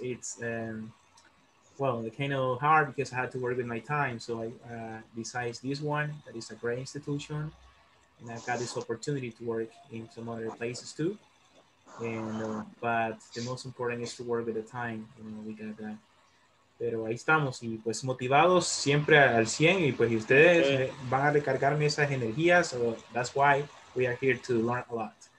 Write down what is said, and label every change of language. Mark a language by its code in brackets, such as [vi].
[en] It's well, it's kind of hard because I had to work with my time. So I, besides this one, that is a great institution, and I've got this opportunity to work in some other places too. And but the most important is to work with the time. You know, we got that. [es] Pero ahí estamos y pues motivados siempre al 100 y pues y ustedes van a recargarme esas energías. [en] So that's why we are here to learn a lot.